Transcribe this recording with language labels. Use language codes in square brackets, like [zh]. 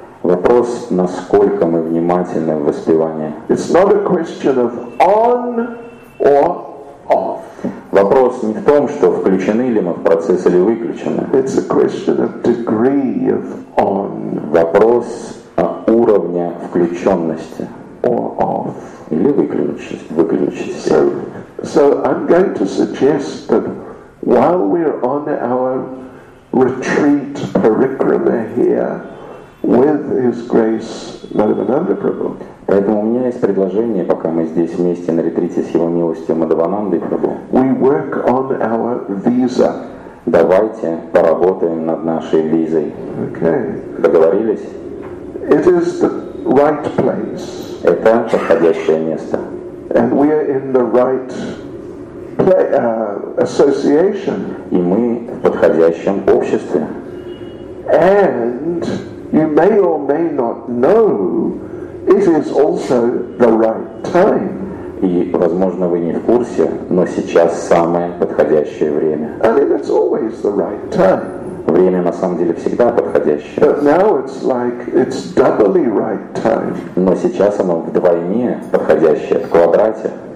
[ru] Вопрос, насколько мы внимательны в воспевании. [en] It's not a question of on or off. [ru] Вопрос не в том, что включены ли мы в процесс или выключены. [en] It's a question of degree of on. [ru] Вопрос о уровне включенности. [en] Or off. [ru] Или выключенности. [en] So I'm going to suggest that while we're on our retreat parikrama here, with His Grace Madhavananda Prabhu. [ru] Поэтому у меня есть предложение, пока мы здесь вместе на ретрите с Его милостью Мадхавананды Прабху. [en] We work on our visa. [ru] Давайте поработаем над нашей визой. [en] Okay. [ru] Договорились? [en] It is the right place. [ru] Это подходящее место. [en] And we are in the right association. [ru] И мы в подходящем обществе. [en] And you may or may not know, it is also the right time. [ru] И, возможно, вы не в курсе, но сейчас самое подходящее время. [en] I mean, it's always the right time. [ru] Время, на самом деле, всегда подходящее. [en] But now it's like it's doubly right time. [ru] Но сейчас оно вдвойне подходящее, в квадрате.